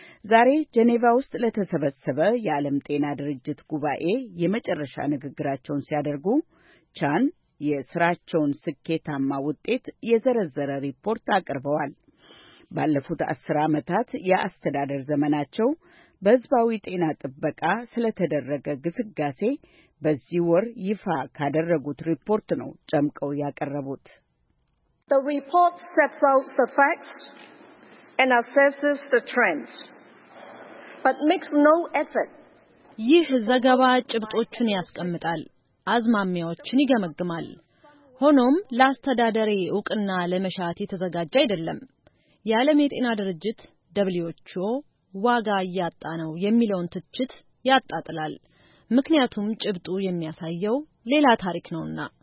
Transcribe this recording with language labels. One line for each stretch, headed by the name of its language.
Amharic: ዛሬ ጄኔቫ ውስጥ ለተሰበሰበ የዓለም ጤና ድርጅት ጉባኤ የመጨረሻ ንግግራቸውን ሲያደርጉ ቻን የሥራቸውን ስኬታማ ውጤት የዘረዘረ ሪፖርት አቅርበዋል። ባለፉት 10 ዓመታት የአስተዳደር ዘመናቸው በሕዝባዊ ጤና ጥበቃ ስለተደረገ ግስጋሴ በዚህ ወር ይፋ ካደረጉት ሪፖርት ነው ጨምቀው ያቀረቡት።
English: The report sets out the facts and assesses the trends, but makes no effort.
Amharic: ይህ ዘገባ ጭብጦቹን ያስቀምጣል፣ አዝማሚያዎችን ይገመግማል። ሆኖም ለአስተዳደሪ ዕውቅና ለመሻት የተዘጋጀ አይደለም። የዓለም የጤና ድርጅት WHO ዋጋ ያጣ ነው የሚለውን ትችት ያጣጥላል። ምክንያቱም ጭብጡ የሚያሳየው ሌላ ታሪክ ነውና